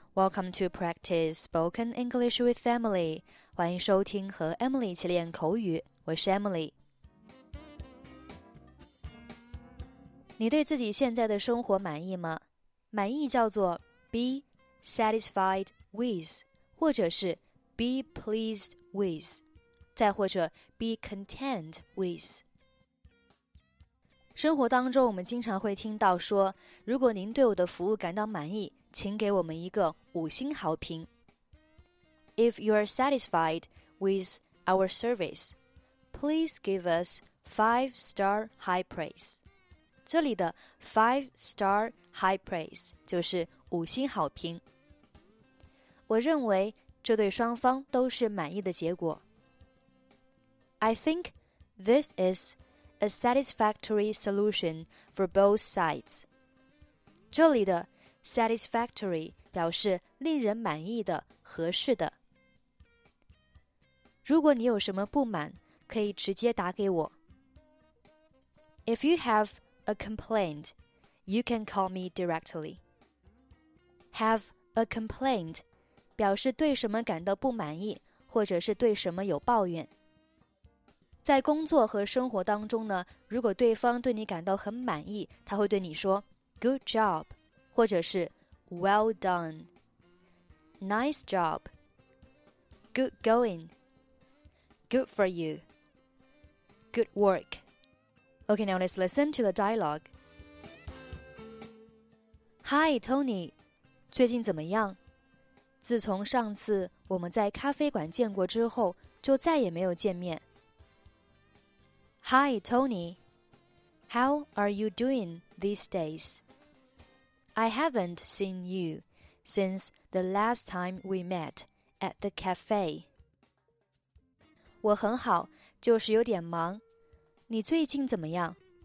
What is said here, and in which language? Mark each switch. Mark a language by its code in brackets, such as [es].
[en] Welcome to Practice Spoken English with Emily. [zh] 欢迎收听和 Emily 一起练口语。我是 Emily。你对自己现在的生活满意吗？满意叫做 [en] be satisfied with, [zh] 或者是 [en] be pleased with, [zh] 再或者 [en] be content with。 [zh] 生活当中我们经常会听到说，如果您对我的服务感到满意，请给我们一个五星好评。 [en] If you are satisfied with our service, please give us 5-star high praise. [zh] 这里的 [en] 5-star high praise [zh] 就是五星好评。我认为这对双方都是满意的结果。 [en] I think this isA satisfactory solution for both sides. [zh] 这里的 satisfactory 表示令人满意的、合适的。如果你有什么不满，可以直接打给我。 [en] If you have a complaint, you can call me directly. Have a complaint [zh] 表示对什么感到不满意，或者是对什么有抱怨。在工作和生活当中呢，如果对方对你感到很满意，他会对你说 [en] good job, [zh] 或者是 [en] well done, nice job, good going, good for you, good work. Okay, now let's listen to the dialogue. Hi, Tony, [zh] 最近怎么样？自从上次我们在咖啡馆见过之后，就再也没有见面。 [en] Hi, Tony. How are you doing these days? I haven't seen you since the last time we met at the cafe. [zh] 我很好，就是有点忙。你最近怎么样？